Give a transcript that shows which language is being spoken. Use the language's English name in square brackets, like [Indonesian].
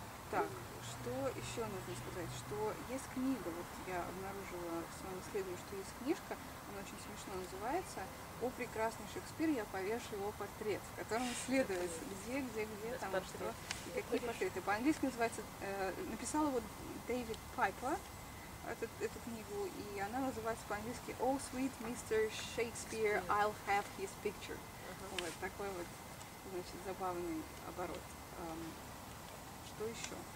[Russian] Так, что еще нужно сказать? Что есть книга, вот я обнаружила в своем исследовании, что есть книжка, она очень смешно называется «О прекрасный Шекспир, я повешу его портрет», в котором исследуется, где, там, что, и какие портреты. По-английски называется, написал его Дэвид Пайпер. Эту книгу, и она называется по-английски [English] «Oh, sweet Mr. Shakespeare, I'll have his picture». Uh-huh. [Russian] Вот такой вот, значит, забавный оборот. Что еще?